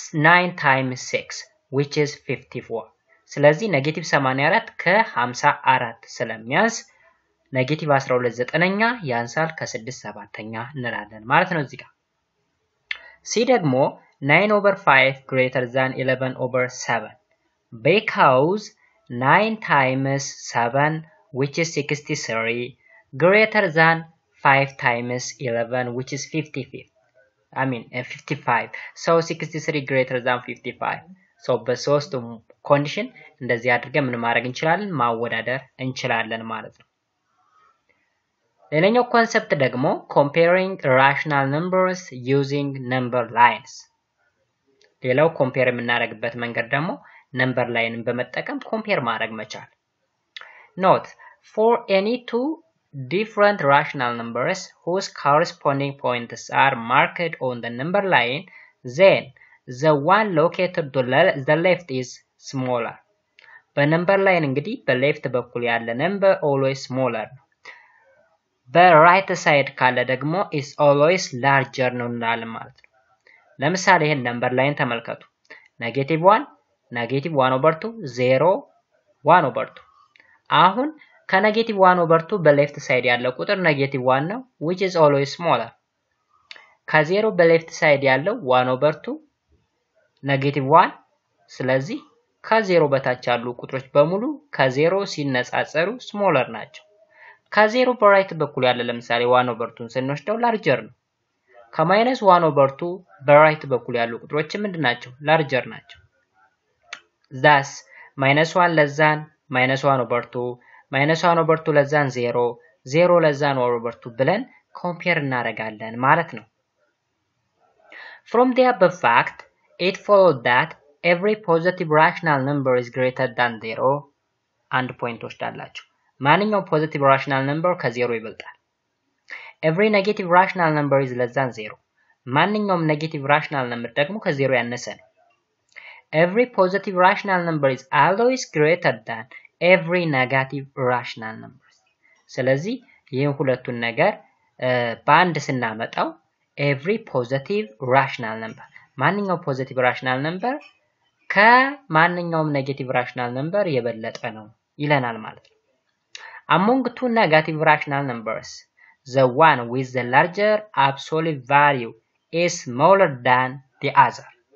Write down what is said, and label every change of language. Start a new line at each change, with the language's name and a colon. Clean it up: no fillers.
English: 9 times 6 which is 54 ስለዚህ negative 84
Amharic: ከ54 ስለሚያንስ
English: negative 12
Amharic: ዘጠነኛ ያንሳል ከ6 ሰባተኛ እንላለን ማለት ነው። እዚህ ጋር
English: c ደግሞ 9 over 5 greater than 11 over 7 because 9 times 7, which is 63, greater than 5 times 11, which is 55. So 63 greater than 55.
Amharic: So በሶስቱ ኮንዲሽን እንደዚህ አድርገን ምን ማድረግ እንችላለን? ማወዳደር እንችላለን ማለት ነው። ሌላኛው ኮንሰፕት ደግሞ
English: comparing rational numbers using number lines.
Amharic: ሌላው compare የምናደርግበት መንገድ ደግሞ number line በመጠቀም compare ማድረግ መቻል.
English: Note, for any two different rational numbers whose corresponding points are marked on the number line, then the one located to the left is smaller. The number line
Amharic: እንግዲህ በleft በኩል ያለ
English: number always smaller. The right side
Amharic: ካለ ደግሞ
English: is always larger
Amharic: ነው እንላለን ማለት ነው። ለምሳሌ ይሄን number line ተመልከቱ.
English: Negative 1, negative 1 over 2, 0, 1 over 2.
Amharic: አሁን ከnegative 1 over 2 በleft side ያለው ቁጥር negative 1 ነው,
English: which is always smaller.
Amharic: ከ0 በleft side ያለው 1 over 2 negative 1, ስለዚህ ከ0 በታች ያሉ ቁጥሮች በሙሉ ከ0 ሲነጻጸሩ smaller ናቸው. ከ0 በright በኩል ያለ ለምሳሌ 1 over 2 ስንወስደው larger ነው. ከ -1 over 2 በright በኩል ያሉ ቁጥሮች ምንድናቸው? Larger ናቸው.
English: Thus, -1 less than -1 over 2, -1 over 2 less than 0, 0 less than 1 over 2
Amharic: ብለን compare እናደርጋለን ማለት ነው.
English: From the above fact, it followed that every positive rational number is greater than 0. And point ወስዳላችሁ.
Amharic: ማንኛውም positive rational number ከ0 ይበልጣል.
English: Every negative rational number is less than 0.
Amharic: ማንኛውም negative rational number ደግሞ ከ0 ያነሰ ነው.
English: Every positive rational number is always greater than every negative rational number.
Amharic: ስለዚህ ይሄን ሁለቱን ነገር በአንድ ስናመጣው every positive rational number ማንኛውም positive rational number ከማንኛውም negative rational number የበለጠ ነው ይለናል ማለት ነው።
English: Among two negative rational numbers, the one with the larger absolute value is smaller than the other.